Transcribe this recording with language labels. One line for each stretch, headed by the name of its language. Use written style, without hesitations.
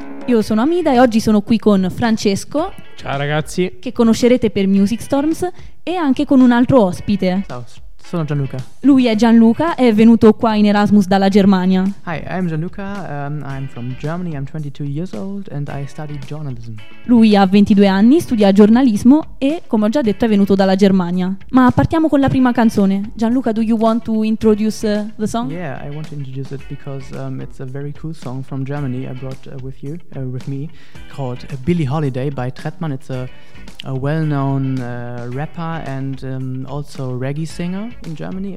Italian: Io sono Amida e oggi sono qui con Francesco. Ciao ragazzi. Che conoscerete per Music Storms e anche con un altro ospite. Ciao, sono Gianluca. Lui è Gianluca, è venuto qua in Erasmus dalla Germania.
English: Hi, I'm Gianluca, I'm from Germany, I'm 22 years old and I study journalism.
Italian: Lui ha 22 anni, studia giornalismo e, come ho già detto, è venuto dalla Germania. Ma partiamo con la prima canzone.
English: Gianluca, do you want to introduce the song? Yeah, I want to introduce it because it's a very cool song from Germany I brought with me, called Billie Holiday by Trettmann. It's a well-known rapper and also reggae singer in Germany.